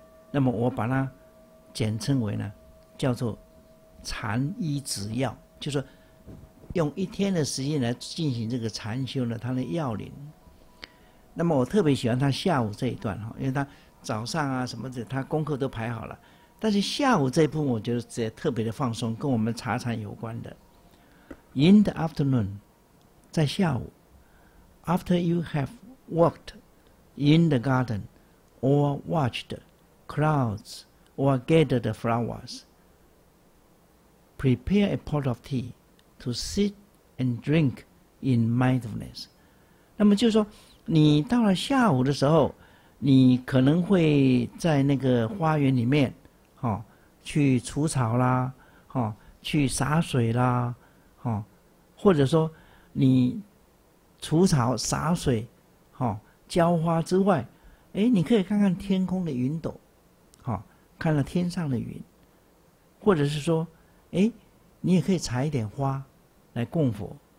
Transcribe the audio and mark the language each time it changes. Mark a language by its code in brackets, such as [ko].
[zh] 那么我把它简称为呢，叫做禅医指要，就是用一天的时间来进行这个禅修的它的要领。那么我特别喜欢他下午这一段，因为他早上啊什么的他功课都排好了，但是下午这一部分我觉得直接特别的放松，跟我们茶禅有关的。 [en] In the afternoon， [zh] 在下午， [en] After you have walked in the garden or watched clouds or gathered flowers， Prepare a pot of teaTo sit and drink in mindfulness。 [zh] 那么就是说你到了下午的时候，你可能会在那个花园里面，去除草啦，去洒水啦，或者说你除草洒水，浇花之外，你可以看看天空的云朵，看了天上的云，或者是说你也可以采一点花来供佛。